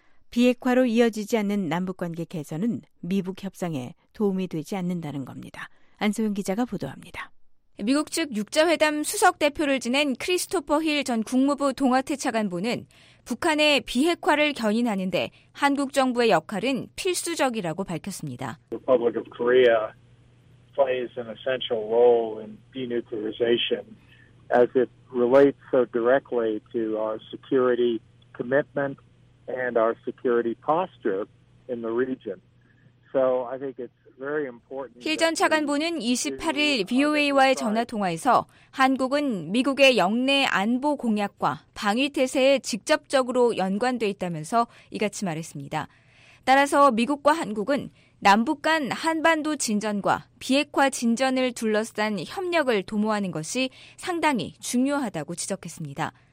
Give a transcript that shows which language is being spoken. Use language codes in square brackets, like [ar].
[ko] 비핵화로 이어지지 않는 남북관계 개선은 미북 협상에 도움이 되지 않는다는 겁니다. 안소영 기자가 보도합니다. 미국 측 6자회담 수석대표를 지낸 크리스토퍼 힐 전 국무부 동아트 차관보는 북한의 비핵화를 견인하는데 한국 정부의 역할은 필수적이라고 밝혔습니다. [en] Republic of Korea. plays an essential role in denuclearization as it relates so directly to our security commitment and our security posture in the region. So I think it's very important. [ko] 힐 전 차관보는 28일 VOA와의 전화 통화에서 한국은 미국의 영내 안보 공약과 방위 태세에 직접적으로 연관돼 있다면서 이같이 말했습니다. 따라서 미국과 한국은 남북 간 한반도 진전과 비핵화 진전을 둘러싼 협력을 도모하는 것이 상당히 중요하다고 지적했습니다.